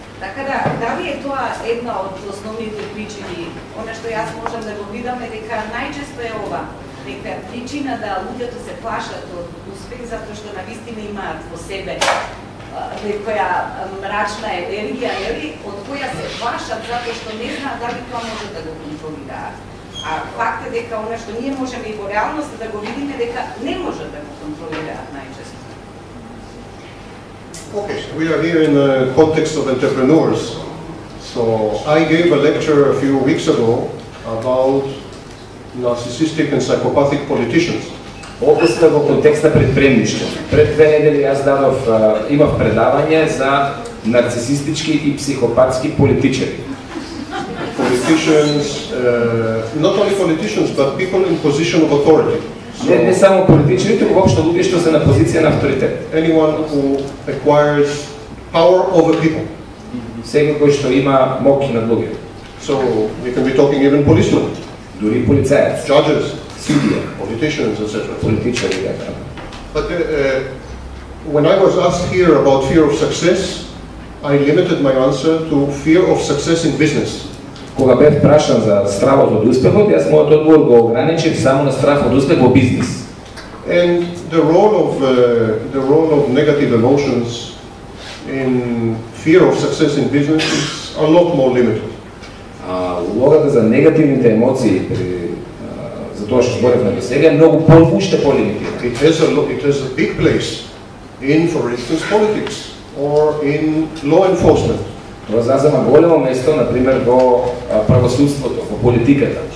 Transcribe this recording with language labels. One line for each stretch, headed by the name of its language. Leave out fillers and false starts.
Macedonian: Така да, дали е тоа една од основните причини, она што јас можам да го видам е дека најчесто е ова, дека причина да луѓето се плашат од успех затоа што навистина имаат во себе некоја мрачна енергија, нели, од која се плашат затоа што не знаат дали тоа може да го контролираат. А факт е дека оно што ние можеме и во реалност да го видиме дека не може да го контролираат најчесто.
English: Okay, we are here in the context of entrepreneurs. So I gave a lecture a few weeks ago about narcissistic and psychopathic politicians.
Macedonian: Овде сте во контекст на предприемничко. Пред две недели јас дадов, имав предавање за нарцисистички и психопатски политичари.
English: Politicians, not only politicians, but people in position of authority.
Macedonian: Не само политичари, туку воопшто луѓе што се на позиција на авторитет.
English: Anyone who acquires power over people.
Macedonian: Секој кој што има моќ над луѓе.
English: So we can be talking even policemen.
Macedonian: Дури полицајец.
English: Judges.
Macedonian: Судија.
English: Politicians, etc.
Macedonian: Политичари, да.
English: But when I was asked here about fear of success, I limited my answer to fear of success in business.
Macedonian: Кога бев прашан за стравот од успехот, јас мојот одговор го ограничив само на страв од успех во бизнис.
English: And the role of negative emotions in fear of success in business is a lot more limited.
Macedonian: Улогата за негативните емоции при за тоа што зборевме до сега многу повуште полимитирана.
English: It has a big place in, for instance, politics or in law enforcement.
Macedonian: Тоа зазема големо место, например, во правосудството, во политиката.